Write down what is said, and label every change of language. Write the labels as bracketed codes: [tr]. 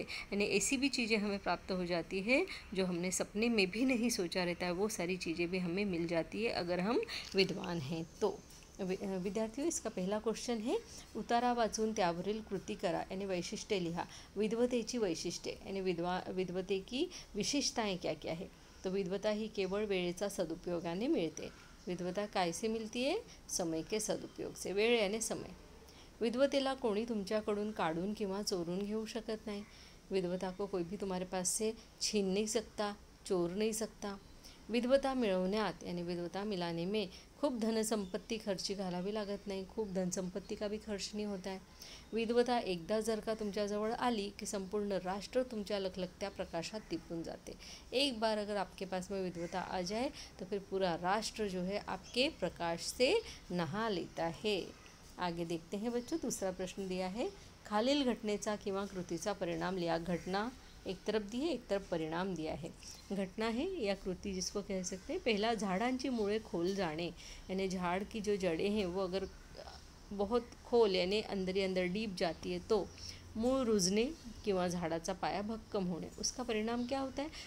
[hi] यानी ऐसी भी चीज़ें हमें प्राप्त हो जाती है जो हमने सपने में भी नहीं सोचा रहता है, वो सारी चीज़ें भी हमें मिल जाती है अगर हम विद्वान हैं तो। विद्यार्थियों, इसका पहला क्वेश्चन है, [mr] उतारा वाचून त्यावरील कृती करा, [hi] यानी [mr] वैशिष्ट्य लिहा, विद्वतेची वैशिष्ट्य, [hi] यानी विद्वते की विशेषताएं क्या क्या है। [mr] तो विद्वता ही केवळ वेळेचा सदुपयोगाने मिळते। विद्वता काय से मिळती आहे? [hi] समय के सदुपयोग से, [mr] वेळ आणि समय। विद्वतेला कोणी तुमच्याकडून काढून किंवा चोरून घेऊ शकत नाही। [hi] विद्वता को कोई भी तुम्हारे पास से छीन नहीं सकता, चोर नहीं सकता। [mr] विद्वता मिळवण्यात [hi] यानी विद्वता मिलाने में [mr] खूप धनसंपत्ति खर्ची घालावी लागत नाही, [hi] खूप धनसंपत्ति का भी खर्च नहीं होता है। [mr] विद्वता एकदा जर का तुमच्याजवळ आली की संपूर्ण राष्ट्र तुमच्या लखलखत्या प्रकाशात दिपून जाते। [hi] एक बार अगर आपके पास में विद्वता आ जाए तो फिर पूरा राष्ट्र जो है आपके प्रकाश से नहा लेता है। आगे देखते हैं बच्चों, दूसरा प्रश्न दिया है, [mr] खालील घटनेचा किंवा कृतीचा परिणाम लिया। [hi] घटना एक तरफ दी है, एक तरफ परिणाम दिया है। घटना है या कृति जिसको कह सकते हैं, पहला [mr] झाड़ांची मुळे खोल जाने, [hi] यानी झाड़ की जो जड़ें हैं वो अगर बहुत खोल यानी अंदर ही अंदर डीप जाती है तो [mr] मूळ रुजने किंवा झाड़ाचा पाया भक्कम होने, [hi] उसका परिणाम क्या होता है?